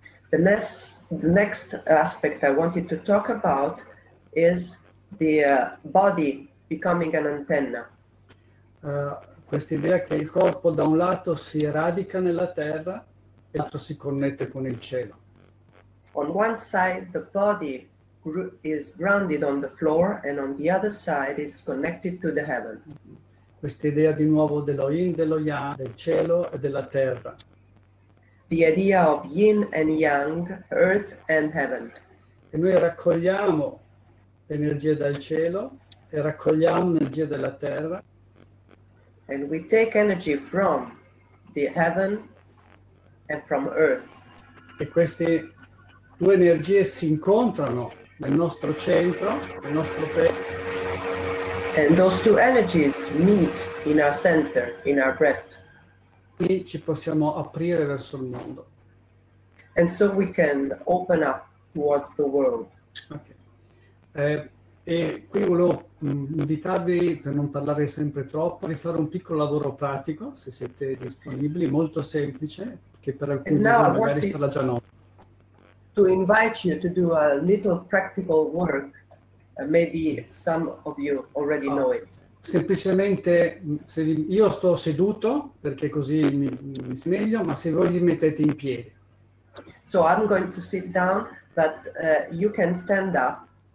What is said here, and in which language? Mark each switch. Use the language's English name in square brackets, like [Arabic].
[English] The next aspect I wanted to talk about is the body becoming an antenna. [Italian] Questa idea che il corpo da un lato si radica nella terra e l'altro si connette con il cielo. [English] On one side the body is grounded on the floor and on the other side is connected to the heaven. [Italian] Questa idea di nuovo dello yin, dello yang, del cielo e della terra. [English] The idea of yin and yang, earth and heaven. [Italian] E noi raccogliamo energia dal cielo e raccogliamo energia della terra. [English] And we take energy from the heaven and from earth. [Italian] E queste due energie si incontrano nel nostro centro, nel nostro petto. [English] And those two energies meet in our center, in our breast. [Italian] Qui ci possiamo aprire verso il mondo. [English] And so we can open up towards the world. Okay. [Italian] E qui volevo invitarvi, per non parlare sempre troppo, di fare un piccolo lavoro pratico, se siete disponibili, molto semplice, che per alcuni di voi magari sarà già noto. [English] To invite you to do a little practical work. Maybe some of you already know it. [Italian] Semplicemente, se io sto seduto, perché così mi si meglio, ma se voi vi mettete in piedi. [English] So I'm going to sit down, but you can stand up.